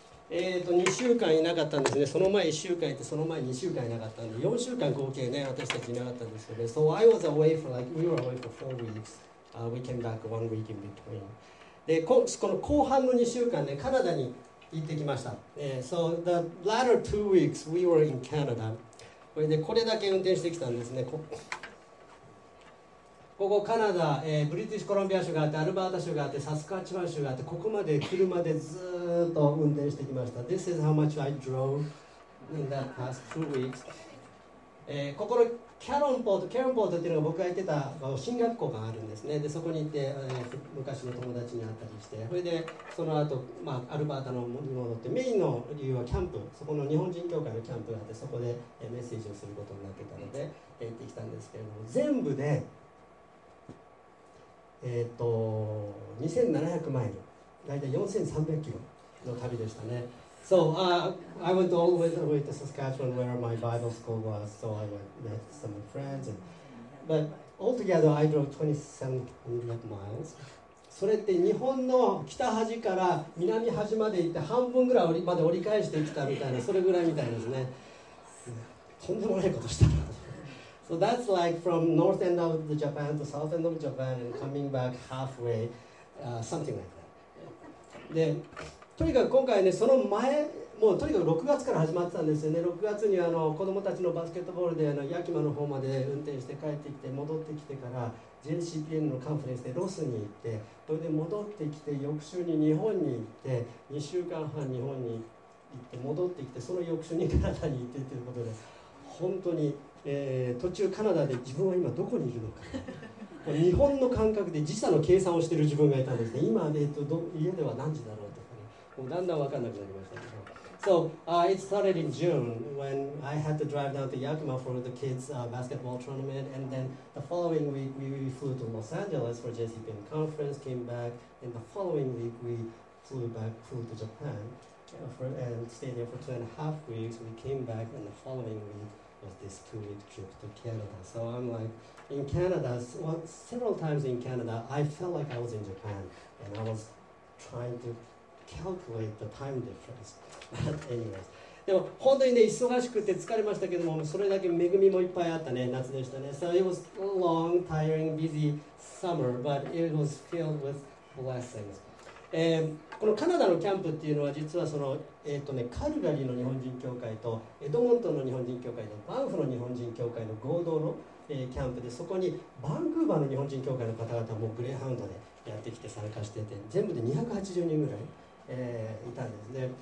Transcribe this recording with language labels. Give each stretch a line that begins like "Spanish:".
Japanese: 2週間いなかったんですね。その前1週間いて、その前2週間いなかったんで、4週間合計ね、私たちいなかったんですけど、ね、
English: So I was away for like, we were away for 4 weeks.、We came back one week in between.
Japanese: で、この後半の2週間ね、カナダに行ってきました。
English: So the latter 2 weeks, we were in Canada.
Japanese: これで、これだけ運転してきたんですね。ここカナダ、ブリティッシュコロンビア州があって、アルバータ州があって、サスカチワン州があって、ここまで車でずっと運転してきました。
English: This is how much I drove in the past two weeks.、
Japanese: ここのキャロンポート、キャロンポートっていうのが僕が行ってた進学校があるんですね。で、そこに行って、昔の友達に会ったりして、それでその後、まあ、アルバータのに戻って、メインの理由はキャンプ、そこの日本人教会のキャンプがあって、そこでメッセージをすることになってたので、行ってきたんですけれども、全部で、2700マイル、大体4300キロの旅でしたね。
English: So, I went all the way to Saskatchewan where my Bible school was, so I went, met some friends. And, but altogether, I drove 2700 miles.
Japanese: それって日本の北端から南端まで行って半分ぐらいまで折り返してきたみたいな、それぐらいみたいですね。とんでもないことしたな。
English: So that's like from north end of the Japan to south end of Japan and coming back halfway, something like that.
Japanese: で、とにかく今回ね、その前、もうとにかく6月から始まってたんですよね。 6月にあの子供たちのバスケットボールでヤキマの方まで運転して帰ってきて、戻ってきてから JCPN のカンファレンスでロスに行って、それで戻ってきて、翌週に日本に行って、2週間半日本に行って、戻ってきて、その翌週にカナダに行ってっていうことで、本当に途中カナダで自分は今どこにいるのか日本の感覚で時差の計算をしている自分がいたんですね。今で家では何時だろうとかね、もうだんだん分かんなくなりました。
English: So、it started in June when I had to drive down to Yakima for the kids、basketball tournament and then the following week we flew to Los Angeles for JCPN conference, came back and the following week we flew to Japan and stayed there for 2.5 weeks, we came back and the following weekof this two-week trip to Canada. So I'm like, in Canada, well, several times in Canada, I felt like I was in Japan, and I was trying to calculate the time difference. But anyways.
Japanese: でも本当にね、忙しくて疲れましたけども、それだけ恵みもいっぱいあったね、夏でしたね。
English: So it was a long, tiring, busy summer, but it was filled with blessings.
Japanese: このカナダのキャンプっていうのは実はその、カルガリーの日本人教会とエドモントンの日本人教会とバンフの日本人教会の合同の、キャンプで、そこにバンクーバーの日本人教会の方々もグレーハウンドでやってきて参加してて、全部で280人ぐらい、いたんですね。